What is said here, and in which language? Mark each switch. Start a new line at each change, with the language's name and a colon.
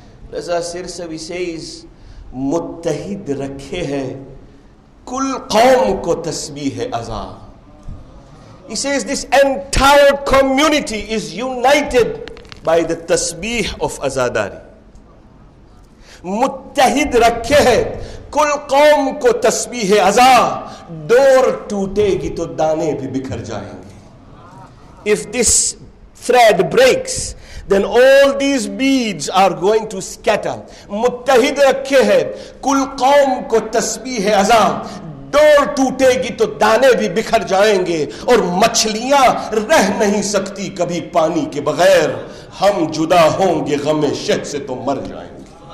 English: Raza Sirsawi says,
Urdu: "Muttahid rakhe hai, kul qawm ko tasbih hai aza."
English: He says, this entire community is united by the tasbih of azadari.
Urdu: "Muttahid rakhe hai, کل قوم کو تسبیح عزا، دور ٹوٹے گی تو دانے بھی بکھر جائیں گے.
English: If this thread breaks, then all these beads are going to scatter.
Urdu: متحد رکھے ہیں کل قوم کو تسبیح عزا، دور ٹوٹے گی تو دانے بھی بکھر جائیں گے، اور مچھلیاں رہ نہیں سکتی کبھی پانی کے بغیر. ہم جدا ہوں گے غم شہد سے تو مر جائیں گے.